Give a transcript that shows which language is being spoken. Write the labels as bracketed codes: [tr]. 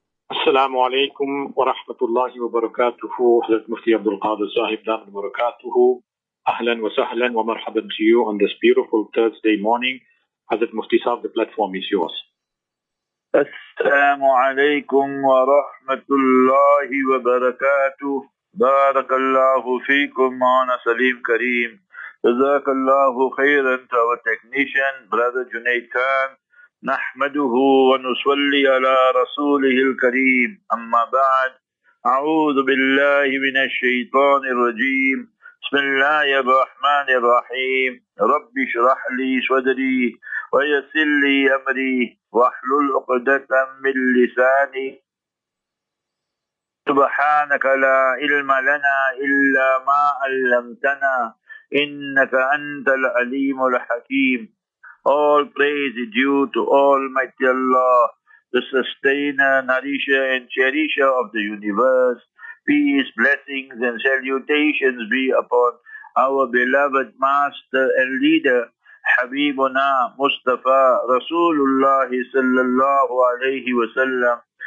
[ar] السلام عليكم ورحمة الله وبركاته. أهلا مفتي عبد القادر صاحب دام وبركاته. أهلا وسهلا ومرحبا [en] to you on this beautiful Thursday morning. Hazrat Mufti Sahib, the platform is yours. [ar] السلام عليكم ورحمة الله وبركاته. بارك الله فيكم معنا سليم كريم. جزاك الله خيرا [en] to our technician, brother Junaid Khan. [ar] نحمده ونصلي على رسوله الكريم أما بعد أعوذ بالله من الشيطان الرجيم بسم الله الرحمن الرحيم رب اشرح لي صدري ويسر لي أمري واحلل عقدة من لساني سبحانك لا علم لنا إلا ما علمتنا إنك أنت العليم الحكيم. [en] All praise is due to Almighty Allah, the sustainer, nourisher, and cherisher of the universe. Peace, blessings, and salutations be upon our beloved master and leader, Habibuna Mustafa Rasulullah sallallahu alayhi wa sallam.